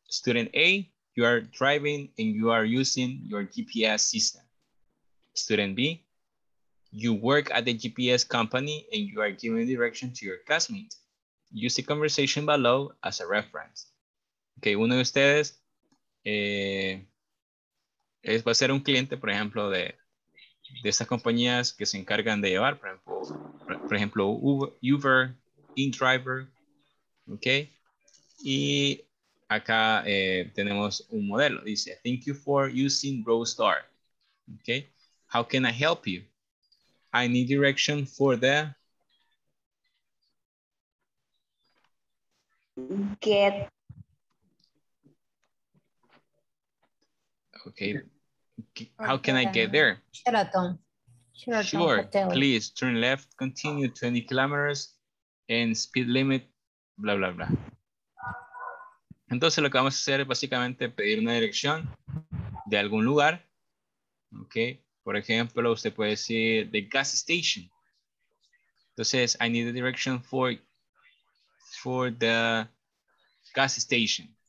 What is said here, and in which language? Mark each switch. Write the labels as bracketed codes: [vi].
[en] Student A, you are driving and you are using your GPS system. Student B, you work at the GPS company and you are giving direction to your classmates. Use the conversation below as a reference. Okay. [es] Uno de ustedes. Va a ser un cliente, por ejemplo, de estas compañías que se encargan de llevar, por ejemplo, Uber, InDriver, ok. Y acá tenemos un modelo, dice: [en] Thank you for using Roadstar. Ok, how can I help you? I need direction for the get. Okay, how can I get there? Sheraton. Sure, Hotel. Please turn left, continue 20 kilometers and speed limit, blah, blah, blah. [es] Entonces lo que vamos a hacer es básicamente pedir una dirección de algún lugar. Okay, por ejemplo, usted puede decir [en] the gas station. Entonces, I need a direction for the gas station.